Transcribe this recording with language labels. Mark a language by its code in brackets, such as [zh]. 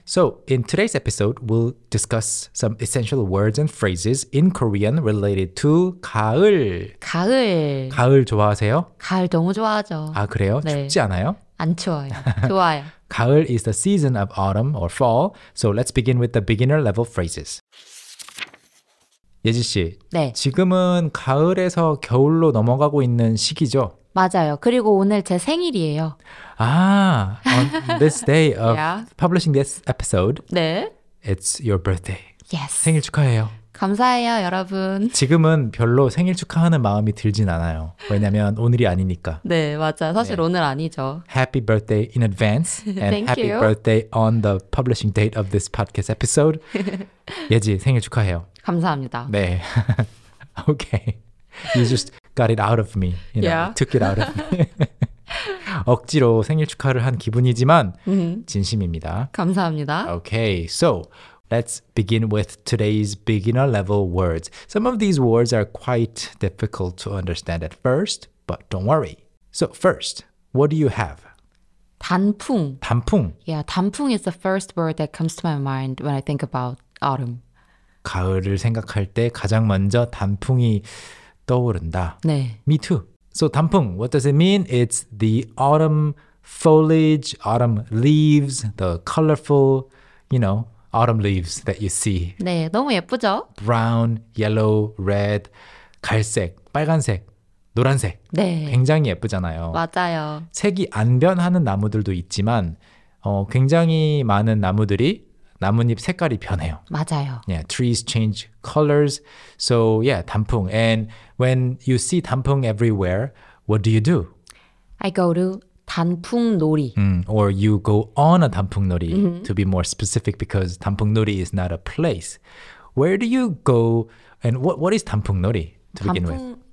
[en] So, in today's episode, we'll discuss some essential words and phrases in Korean related to 가을. [ko] 가을. 가을 좋아하세요? 가을 너무 좋아하죠. 아, 그래요? 네. 춥지 않아요? 안 추워요. 좋아요. [en] 가을 is the season of autumn or fall. So, let's begin with the beginner level phrases. [ko] 예지 씨, 네. 지금은 가을에서 겨울로 넘어가고 있는 시기죠? 맞아요. 그리고 오늘 제 생일이에요. [en] 아, on this day of publishing this episode, [ko] 네. [en] it's your birthday. Yes. [ko] 생일 축하해요. 감사해요, 여러분. 지금은 별로 생일 축하하는 마음이 들진 않아요. 왜냐면 오늘이 아니니까. 네, 맞아요. 사실 네. 오늘 아니죠. [en] Happy birthday in advance. And happy birthday on the publishing date of this podcast episode. [ko] 예지, 생일 축하해요. 감사합니다. [en] 네. Okay. You just got it out of me. You know, took it out of me. [ko] 억지로 생일 축하를 한 기분이지만 진심입니다. 감사합니다. [en] Okay. So, let's begin with today's beginner level words. Some of these words are quite difficult to understand at first, but don't worry. So, first, what do you have? [ko] 단풍. 단풍. [en] Yeah, 단풍 is the first word that comes to my mind when I think about autumn. [ko] 가을을 생각할 때 가장 먼저 단풍이 떠오른다. 네. [en] Me too. So 단풍, what does it mean? It's the autumn foliage, autumn leaves, the colorful, you know, autumn leaves that you see. [ko] 네, 너무 예쁘죠? [en] Brown, yellow, red, [ko] 갈색, 빨간색, 노란색. 네. 굉장히 예쁘잖아요. 맞아요. 색이 안 변하는 나무들도 있지만 굉장히 많은 나무들이 나뭇잎 색깔이 변해요. 맞아요. [en] Yeah, trees change colors. So yeah, 단풍. And when you see 단풍 everywhere, what do you do? I go to 단풍놀이. Or you go on a 단풍놀이, to be more specific, because 단풍놀이 is not a place. Where do you go? And what is 단풍놀이, to begin with?